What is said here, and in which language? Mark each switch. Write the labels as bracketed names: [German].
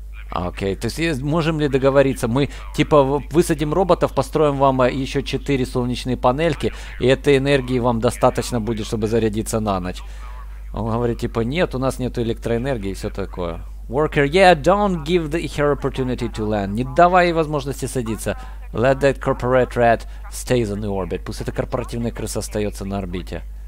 [Russian] Окей, то есть можем ли договориться? Мы типа высадим роботов, построим вам еще 4 солнечные панельки, и этой энергии вам достаточно будет, чтобы зарядиться на ночь. Он говорит типа нет, у нас нет электроэнергии и все такое. [English] Worker, yeah, don't give her opportunity to land. [Russian] Не давай ей возможности садиться. [English] Let that corporate rat stay on the orbit. [Russian] Пусть эта корпоративная крыса остается на орбите.